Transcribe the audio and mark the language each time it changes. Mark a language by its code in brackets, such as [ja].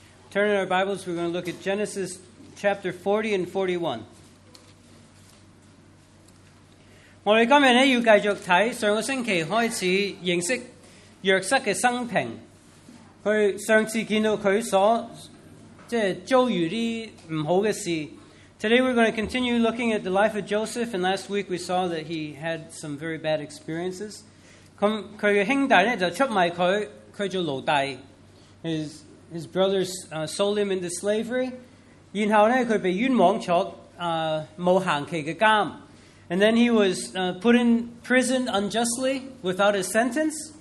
[en] Turn in our Bibles, we're going to look at Genesis chapter 40 and 41. [zh] 我们今天要继续看上个星期开始认识约瑟的生平。他上次见到他所遭遇的不好的事。 [en] Today we're going to continue looking at the life of Joseph, and last week we saw that he had some very bad experiences. [zh] 他的兄弟就出賣他，他做奴隸。 [en] His brothers sold him into slavery. [zh] 然後呢，他被冤枉坐無限期的監。 [en] And then he was put in prison unjustly without a sentence.